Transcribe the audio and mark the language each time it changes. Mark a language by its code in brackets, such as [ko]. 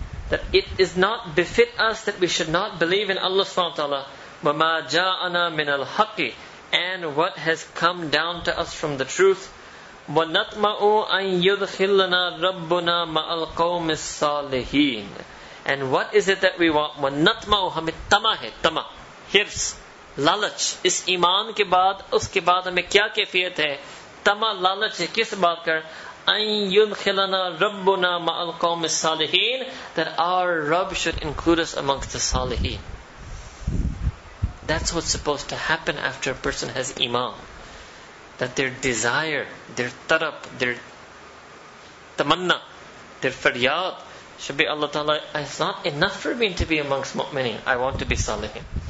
[en] That it is not befit us that we should not believe in Allah subhanahu wa ta'ala. [ar] وَمَا جَاءَنَا مِنَ الْحَقِّ. [en] And what has come down to us from the truth. [ar] وَنَطْمَعُ أَن يُدْخِلَّنَا رَبُّنَا مَعَ الْقَوْمِ الصَّالِحِينَ. [en] And what is it that we want? [ur] وَنَطْمَعُ ہمیں تما ہے, تما, حرص, لالچ. اس ایمان کے بعد, اس کے بعد ہمیں کیا کیفیت ہے؟ تما, لالچ ہے, کس بات کر؟ [ar] أَن يُدْخِلَنَا رَبُّنَا مَعَ الْقَوْمِ الصَّالِحِينَ. [en] That our Rabb should include us amongst the Salihin. That's what's supposed to happen after a person has iman. That their desire, their tarab, their tamanna, their faryad should be Allah Ta'ala, it's not enough for me to be amongst mu'mineen. I want to be salihin.